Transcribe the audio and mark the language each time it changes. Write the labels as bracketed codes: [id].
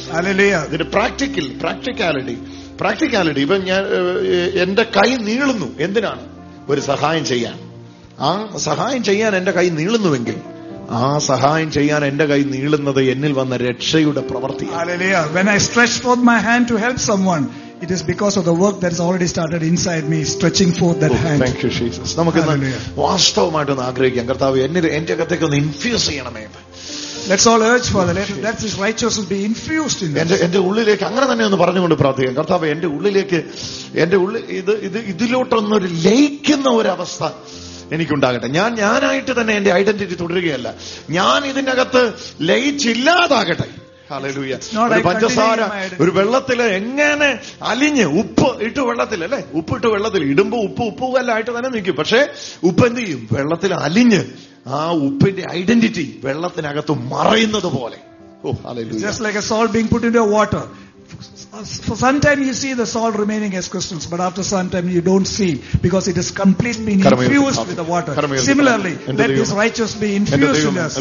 [ml] Hallelujah. ഇതിന്റെ practicality. ഇപ്പൊ ഞാൻ എന്റെ കൈ നീളുന്നു, എന്തിനാണ്? ഒരു സഹായം ചെയ്യാൻ. ആ സഹായം ചെയ്യാൻ എന്റെ കൈ നീളുന്നുവെങ്കിൽ, ആ സഹായം ചെയ്യാൻ എന്റെ കൈ നീളുന്നത് എന്നിൽ വന്ന രക്ഷയുടെ പ്രവൃത്തി. [en] Hallelujah. When I stretch forth my hand to help someone, it is because of the work that has already started inside me, stretching forth that hand. Thank you, Jesus. [ml] നമുക്കിന്ന് വാസ്തവമായിട്ട് ഒന്ന് ആഗ്രഹിക്കാം, കർത്താവ് എന്നിൽ എന്റെ അകത്തേക്ക് ഒന്ന് ഇൻഫ്യൂസ് ചെയ്യണമേ. [en] Let's all urge for the letter that this righteousness will be infused in me. [ml] എന്റെ ഉള്ളിലേക്ക് അങ്ങനെ തന്നെ ഒന്ന് പറഞ്ഞുകൊണ്ട് പ്രാർത്ഥിക്കാം, കർത്താവ് എന്റെ ഉള്ളിലേക്ക് എന്റെ ഉള്ളിൽ ഇത് ഇതിലോട്ടൊന്ന് ഒരു ലയിക്കുന്ന ഒരവസ്ഥ എനിക്കുണ്ടാകട്ടെ. ഞാൻ ഞാനായിട്ട് തന്നെ എന്റെ ഐഡന്റിറ്റി തുടരുകയല്ല, ഞാൻ ഇതിനകത്ത് ലയിച്ചില്ലാതാകട്ടെ. ഹല്ലേലൂയ. പഞ്ചസാര ഒരു വെള്ളത്തിൽ എങ്ങനെ അലിഞ്ഞ്, ഉപ്പ് ഇട്ട് വെള്ളത്തിൽ അല്ലേ, ഉപ്പിട്ട് വെള്ളത്തിൽ ഇടുമ്പോ ഉപ്പ് ഉപ്പുകല്ലായിട്ട് തന്നെ നിൽക്കും, പക്ഷേ ഉപ്പ് എന്ത് ചെയ്യും, വെള്ളത്തിൽ അലിഞ്ഞ് ആ ഉപ്പിന്റെ ഐഡന്റിറ്റി വെള്ളത്തിനകത്ത് മറയുന്നത് പോലെ. ഓ hallelujah. [en] Just like a salt being put into a water. For some time you see the salt remaining as crystals, but after some time you don't see, because it is completely being infused with the water. Similarly, let this righteousness be infused in us.